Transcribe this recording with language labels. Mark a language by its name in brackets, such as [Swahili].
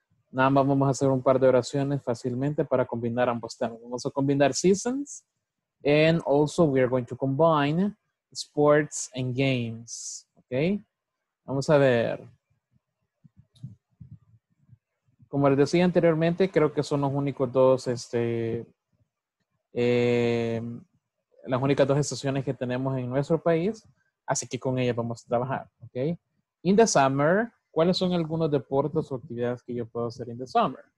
[Spanish] Nada más vamos a hacer un par de oraciones fácilmente para combinar ambos temas. Vamos a combinar [English] seasons, and also we are going to combine sports and games, okay? [Spanish] Vamos a ver. Como les decía anteriormente, creo que son los únicos dos, las únicas dos estaciones que tenemos en nuestro país, así que con ellas vamos a trabajar, ok. [English] In the summer, [Spanish] ¿cuáles son algunos deportes o actividades que yo puedo hacer [English] in the summer?